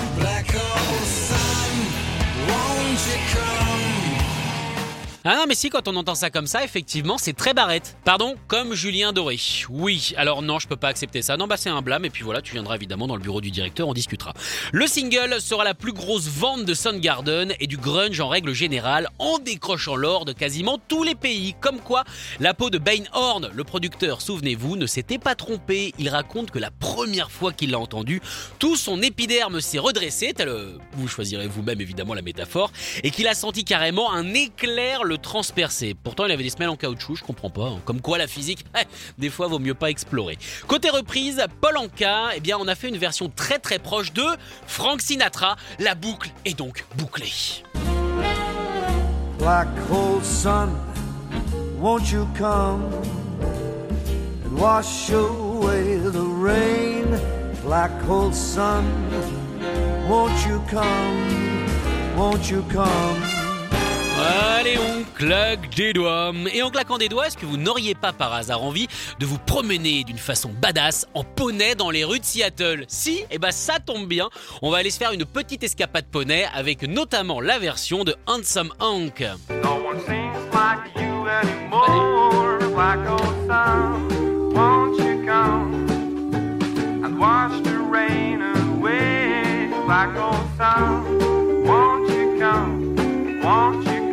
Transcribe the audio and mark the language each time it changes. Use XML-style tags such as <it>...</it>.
<en>Black hole sun, won't you come?</en> <fr>Ah non, mais si, quand on entend ça comme ça, effectivement, c'est très Barrette. Pardon, comme Julien Doré. Oui, alors non, je peux pas accepter ça. Non, bah c'est un blâme, et puis voilà, tu viendras évidemment dans le bureau du directeur, on discutera. Le single sera la plus grosse vente de Soundgarden et du grunge en règle générale, en décrochant l'or de quasiment tous les pays. Comme quoi, la peau de Bane Horn, le producteur, souvenez-vous, ne s'était pas trompé. Il raconte que la première fois qu'il l'a entendu, tout son épiderme s'est redressé, tel vous choisirez vous-même évidemment la métaphore, et qu'il a senti carrément un éclair le transpercer. Pourtant, il avait des semelles en caoutchouc, je comprends pas. Hein. Comme quoi, la physique, des fois, vaut mieux pas explorer. Côté reprise, Paul Anka, eh bien, on a fait une version très très proche de Frank Sinatra. La boucle est donc bouclée.</fr> <en>Black hole sun, won't you come and wash away the rain? Black hole sun, won't you come, won't you come?</en> <fr>Allez, on claque des doigts. Et en claquant des doigts, est-ce que vous n'auriez pas par hasard envie de vous promener d'une façon badass en poney dans les rues de Seattle? Si, eh ben ça tombe bien. On va aller se faire une petite escapade poney avec notamment la version de Handsome Hank.</fr> <en>No one seems like you anymore. Black old sun, won't you come and wash the rain away? Black old sun, won't you come, won't you...</en>